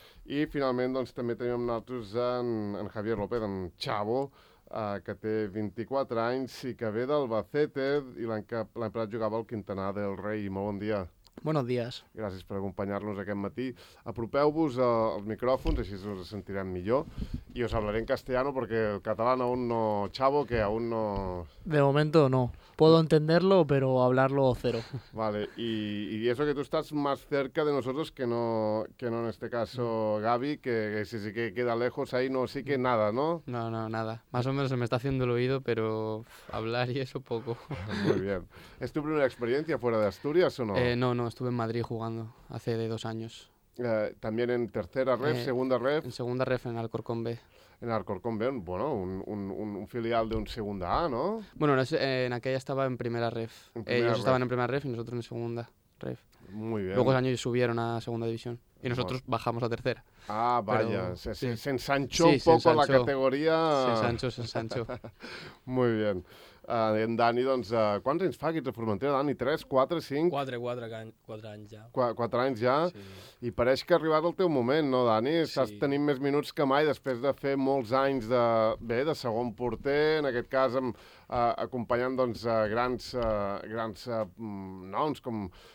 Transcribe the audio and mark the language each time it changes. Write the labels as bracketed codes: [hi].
[ca] I finalment doncs, també tenim amb nosaltres en Javier López, en Chavo, que té 24 anys i que ve d'Albacete i l'any passat jugava al Quintanar del Rei. Molt bon dia. [es] Buenos días. [ca] Gràcies per acompanyar-nos aquest matí. Apropeu-vos els micròfons, així us sentirem millor. I us [es] hablaré en castellano perquè el català aún no... Chavo, que aún no... De momento no. Puedo entenderlo, pero hablarlo cero. Vale. Y eso que tú estás más cerca de nosotros que no en este caso Gaby, que si sí que queda lejos ahí, no, sí que nada, ¿no? No, nada. Más o menos se me está haciendo el oído, pero hablar y eso poco. Muy bien. ¿Es tu primera experiencia fuera de Asturias o no? No, estuve en Madrid jugando hace de 2 años. ¿También en tercera ref, segunda ref? En segunda ref, en Alcorcón B. En Alcorcón B, bueno, un filial de un segunda A, ¿no? Bueno, en aquella estaba en primera ref. Ellos estaban en primera ref y nosotros en segunda ref. Muy bien. Luego ese año subieron a segunda división y nosotros bajamos a tercera. Ah, vaya, se ensanchó un poco la categoría. Se ensanchó. Muy bien. [ca] En Dani, doncs, quants anys fa que ets a Formentera, Dani? 3, 4, 5? 4 anys ja. 4 anys ja? Sí. I pareix que ha arribat el teu moment, no, Dani? Estàs tenint més minuts que mai després de fer molts anys de segon porter, en aquest cas acompanyant doncs, grans noms com...